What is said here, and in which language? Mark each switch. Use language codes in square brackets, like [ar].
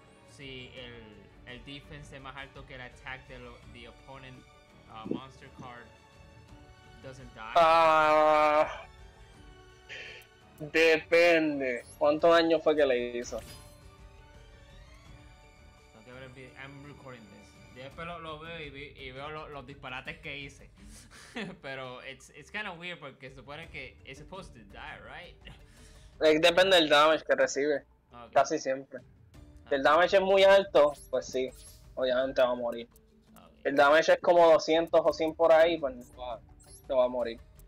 [es] si el defense es más alto que el attack de lo, [en] the opponent monster card doesn't die. [es] Depende. ¿Cuánto daño fue que le hizo? [en] I'm recording this. [es] Después lo veo y veo los disparates que hice. Pero [en] it's kind of weird [es] porque se supone que [en] it's supposed to die, right? [es] Depende del damage que recibe. Okay. Casi siempre. Okay. Si el damage es muy alto, pues sí. Obviamente va a morir. Okay. El damage es como 200 o 100 por ahí, pues no va a morir.